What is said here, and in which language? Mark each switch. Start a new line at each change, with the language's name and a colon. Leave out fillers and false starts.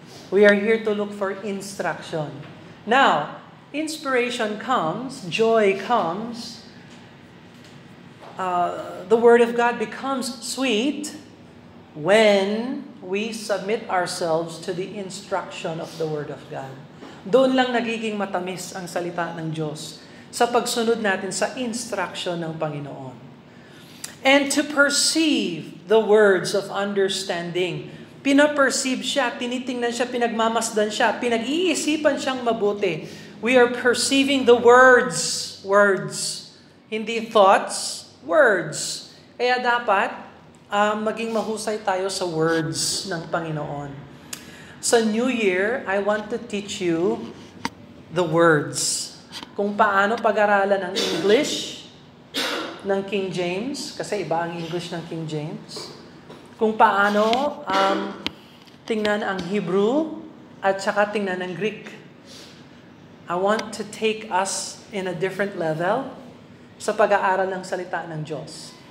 English: We are here to look for instruction. Now, inspiration comes, joy comes, the Word of God becomes sweet when we submit ourselves to the instruction of the Word of God.
Filipino: Doon lang nagiging matamis ang salita ng Diyos sa pagsunod natin sa instruction ng Panginoon.
English: And to perceive the words of understanding.
Filipino: Pina-perceive siya, tinitingnan siya, pinagmamasdan siya, pinag-iisipan siyang mabuti.
English: We are perceiving the words. Words.
Filipino: Hindi
English: thoughts, words.
Filipino: Kaya dapat maging mahusay tayo sa words ng Panginoon.
English: Sa New Year, I want to teach you the words.
Filipino: Kung paano pag-aralan ng English ng King James, kasi iba ang English ng King James. Kung paano tingnan ang Hebrew at saka tingnan ang Greek.
English: I want to take us in a different level
Filipino: sa pag-aaral ng salita ng Diyos.